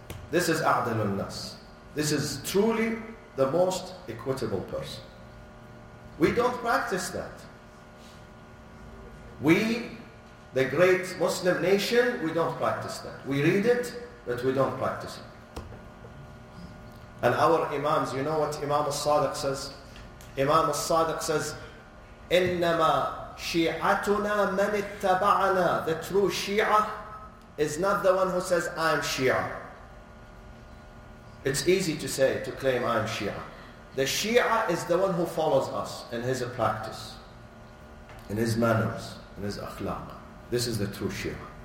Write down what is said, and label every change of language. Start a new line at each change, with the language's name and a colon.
English: This is
Arabic: أَعْدَلُ النَّاسِ.
English: This is truly the most equitable person. We don't practice that. We, the great Muslim nation, we don't practice that. We read it, but we don't practice it. And our imams, you know what Imam al-Sadiq says?
Arabic: Imam al-Sadiq says, إِنَّمَا شِيعَتُنَا مَنِ اتَّبَعَنَا.
English: The true Shia is not the one who says, I'm Shia. It's easy to say, to claim I'm Shia. The Shia is the one who follows us in his practice, in his manners, in his akhlaq. This is the true Shia.